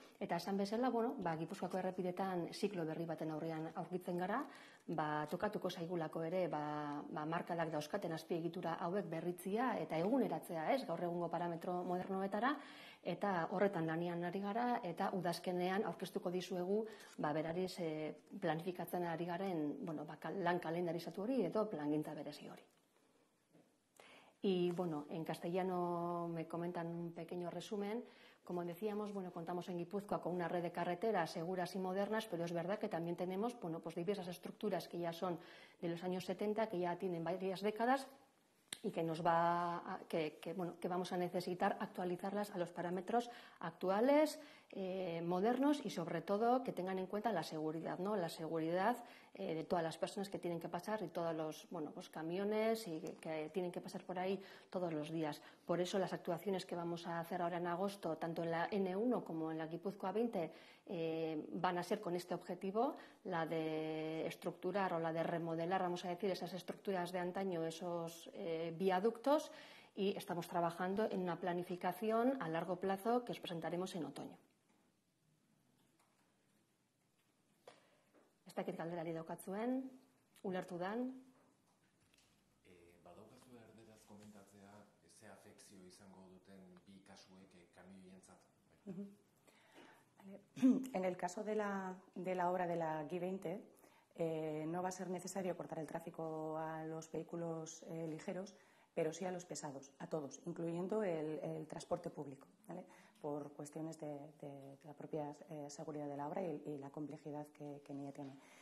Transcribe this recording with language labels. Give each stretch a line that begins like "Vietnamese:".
Basque: Eta esan bezala, bueno, ba, Gipuzkoako errepidetan ziklo berri baten aurrean aurkitzen gara, ba, tokatuko zaigulako ere, ba, markadak dauzkaten azpiegitura hauek berritzia eta eguneratzea, ez, gaur egungo parametro modernoetara, eta horretan lanean ari gara, eta udazkenean aurkeztuko dizuegu, ba, berariz planifikatzen ari garen, bueno, ba, lan kalendarizatu hori edo plangintza berezi hori.
Spanish: Y bueno, en castellano me comentan un pequeño resumen. Como decíamos, bueno, contamos en Guipúzcoa con una red de carreteras seguras y modernas, pero es verdad que también tenemos, bueno, pues diversas estructuras que ya son de los años 70, que ya tienen varias décadas y que nos va a, bueno, que vamos a necesitar actualizarlas a los parámetros actuales, modernos y sobre todo que tengan en cuenta la seguridad, ¿no? La seguridad de todas las personas que tienen que pasar y todos los, bueno, pues camiones y que tienen que pasar por ahí todos los días. Por eso las actuaciones que vamos a hacer ahora en agosto, tanto en la N1 como en la Guipúzcoa 20, van a ser con este objetivo, la de estructurar o la de remodelar, vamos a decir, esas estructuras de antaño, esos viaductos, y estamos trabajando en una planificación a largo plazo que os presentaremos en otoño.
Basque: Zakit galderari daukatzuen, ulertu dan. Badaukatzu erderaz komentatzea, ze afekzio izango duten bi kasuek kamioientzat.
Spanish: En el caso de la obra de la G20, no va a ser necesario cortar el tráfico a los vehículos ligeros, pero sí a los pesados, a todos, incluyendo el transporte público, ¿vale? Por cuestiones de la propia seguridad de la obra y la complejidad que en ella tiene.